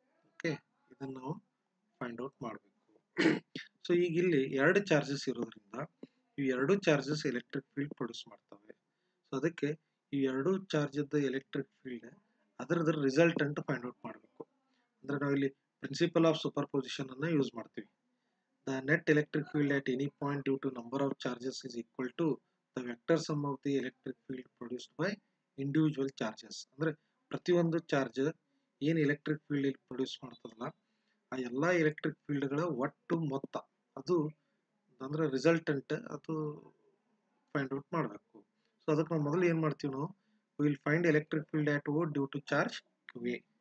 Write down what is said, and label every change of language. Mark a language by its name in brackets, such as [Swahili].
[Kannada] Okay, ಇದನ್ನು ನಾವು find out ಮಾಡಬೇಕು. ಸೊ ಈಗ ಇಲ್ಲಿ ಎರಡು ಚಾರ್ಜಸ್ ಇರೋದ್ರಿಂದ ಈ ಎರಡು ಚಾರ್ಜಸ್ ಎಲೆಕ್ಟ್ರಿಕ್ ಫೀಲ್ಡ್ ಪ್ರೊಡ್ಯೂಸ್ ಮಾಡ್ತವೆ. ಸೊ ಅದಕ್ಕೆ ಈ ಎರಡು ಚಾರ್ಜದ ಎಲೆಕ್ಟ್ರಿಕ್ ಫೀಲ್ಡ್ ಅದರದ್ರ ರಿಸಲ್ಟ್ ಅಂತ ಫೈಂಡ್ ಔಟ್ ಮಾಡಬೇಕು. ಅಂದರೆ ನಾವು ಇಲ್ಲಿ ಪ್ರಿನ್ಸಿಪಲ್ ಆಫ್ ಸೂಪರ್ ಪೊಸಿಷನ್ ಅನ್ನು ಯೂಸ್ ಮಾಡ್ತೀವಿ. [English] The net electric field at any point due to number of charges is equal to the vector sum of the electric field produced by individual charges. [Kannada] ಅಂದರೆ ಪ್ರತಿಯೊಂದು charge ಏನು electric field ಇಲ್ಲಿ produce ಮಾಡ್ತದಲ್ಲ ಆ ಎಲ್ಲ electric ಫೀಲ್ಡ್ಗಳ ಒಟ್ಟು ಮೊತ್ತ, ಅದು ಅಂದರೆ ರಿಸಲ್ಟೆಂಟ್, ಅದು ಫೈಂಡ್ ಔಟ್ ಮಾಡಬೇಕು. [English] so [Kannada] ಅದಕ್ಕೆ ನಾವು ಮೊದಲು ಏನು ಮಾಡ್ತೀವಿ, [English] ನಾವು will find electric field at O due to charge QA.